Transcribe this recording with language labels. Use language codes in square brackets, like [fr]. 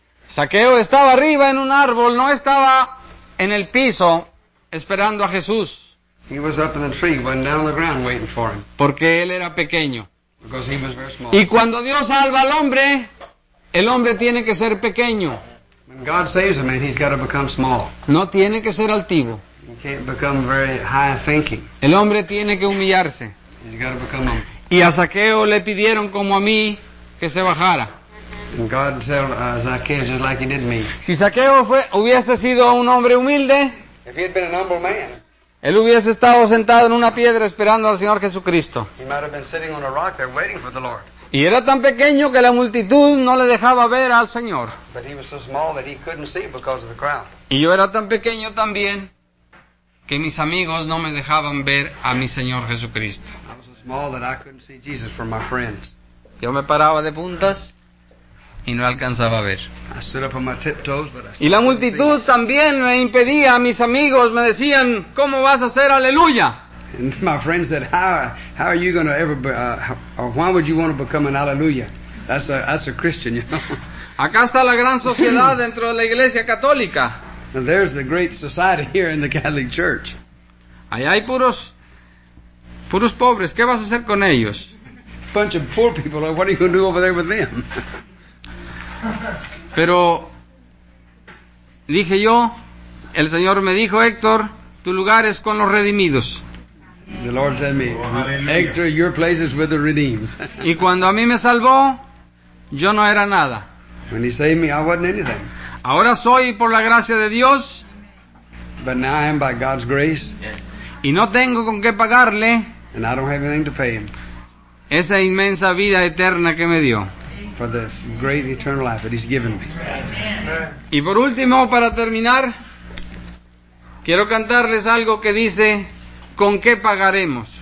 [es] Zaqueo estaba arriba en un árbol, no estaba en el piso esperando a Jesús. [en] He was up in the tree, went down the ground waiting for him. [es] Porque él era pequeño. [en] Because he was very small. [es] Y cuando Dios salva al hombre, el hombre tiene que ser pequeño. [en] When God saves a man, he's got to become small. [es] No tiene que ser altivo. [en] He can't become very high thinking. [es] El hombre tiene que humillarse. [en] He's got to become humble. [es] Y a Zaqueo le pidieron como a mí que se bajara. [en] And God told Zaqueo just like he did me. [es] Si Zaqueo hubiese sido un hombre humilde, [en] if he had been an humble man, [es] él hubiese estado sentado en una piedra esperando al Señor Jesucristo. [en] He might have been sitting on a rock there waiting for the Lord. [es] Y era tan pequeño que la multitud no le dejaba ver al Señor. [en] But he was so small that he couldn't see because of the crowd. [es] Y yo era tan pequeño también que mis amigos no me dejaban ver a mi Señor Jesucristo. [en] I was so small that I couldn't see Jesus from my friends. [es] Yo me paraba de puntas y no alcanzaba a ver. [en] I stood up on my tiptoes, but I [es] y la multitud también me impedía. Mis amigos me decían, ¿cómo vas a hacer aleluya? [en] And my friend said, how are you going to ever be, why would you want to become an hallelujah? That's a Christian, you know. [es] Acá está la gran sociedad dentro de la iglesia católica. [en] Now there's the great society here in the Catholic Church. [es] Allá hay puros pobres. ¿Qué vas a hacer con ellos? [en] Bunch of poor people. What are you going to do over there with them? [es] Pero dije yo, el Señor me dijo, Héctor, tu lugar es con los redimidos. [en] The Lord said to me, Hector, your place is with the redeemed. [es] Y cuando a mí me salvó, yo no era nada. [en] When he saved me, I wasn't anything. [es] Ahora soy por la gracia de Dios. [en] But now I am by God's grace. [es] Y no tengo con qué pagarle. [en] And I don't have anything to pay him. [es] Esa inmensa vida eterna que me dio. [en] For this great eternal life that he's given me. [es] Y por último, para terminar, quiero cantarles algo que dice, ¿con qué pagaremos?